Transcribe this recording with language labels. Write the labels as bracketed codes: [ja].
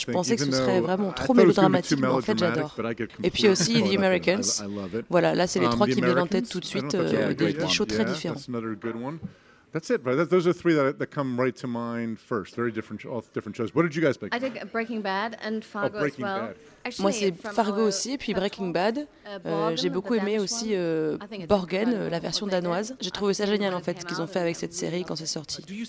[fr] Je pensais que ce serait vraiment trop mélodramatique, mais en fait, j'adore. Et puis aussi The Americans. Voilà, là, c'est les trois qui me viennent en tête tout de suite, des shows très différents. [en] That's it, right? Those are three that come right to mind first. Very different, all different shows. What did you guys pick? I think Breaking Bad and Fargo Breaking as well. Bad. [fr] Actually, moi, c'est Fargo aussi, et puis Breaking Bad. J'ai beaucoup aimé aussi Borgen, la version danoise. J'ai trouvé ça génial, en fait, ce qu'ils ont fait avec cette série quand c'est sorti.